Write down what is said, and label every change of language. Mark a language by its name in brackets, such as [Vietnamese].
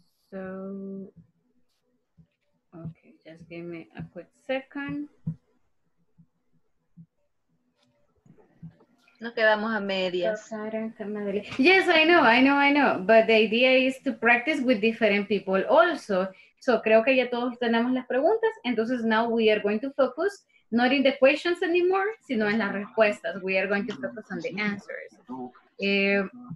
[English] So, okay. Just give me a quick second. [Spanish] Nos quedamos a medias. [English] Yes, I know. But the idea is to practice with different people also. [Spanish] So creo que ya todos tenemos las preguntas. [English] Entonces now we are going to focus not in the questions anymore, [Spanish] sino en las respuestas. [English] We are going to focus on the answers.